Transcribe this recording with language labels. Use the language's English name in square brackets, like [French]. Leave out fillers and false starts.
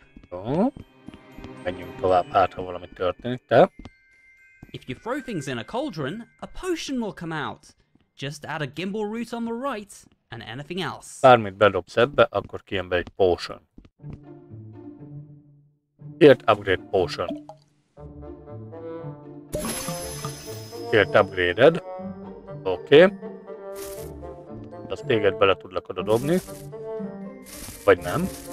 [Hungarian] Jó. Menjünk tovább, hát ha valami történik, te. [English] If you throw things in a cauldron, a potion will come out. Just add a gimbal root on the right, and anything else. [Hungarian] Bármit bedobsz ebbe, akkor kijön be egy potion. Kért upgrade potion. Kért upgraded. Oké. Azt téged bele tudlak oda dobni. Vagy nem.